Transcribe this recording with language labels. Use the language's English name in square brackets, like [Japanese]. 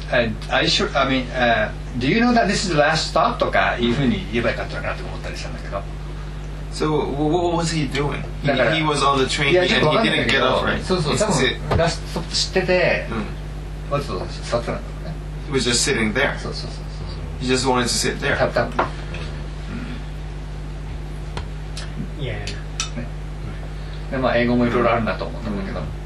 [English] Do you know that this is the last stop? [Japanese] とかいうふうに言えばよかったかなと思ったりしたんだけど。 [English] So what was he doing? He was on the train and he didn't get off, right? [Japanese] そうそう。多分ラストストップ知ってて、わざと座ったんだろうね。 [English] He was just sitting there. [Japanese] そうそうそう。 [English] He just wanted to sit there. [Japanese] たぶん。 [English] Yeah. [Japanese] でまあ英語もいろいろあるなと思ったんだけど。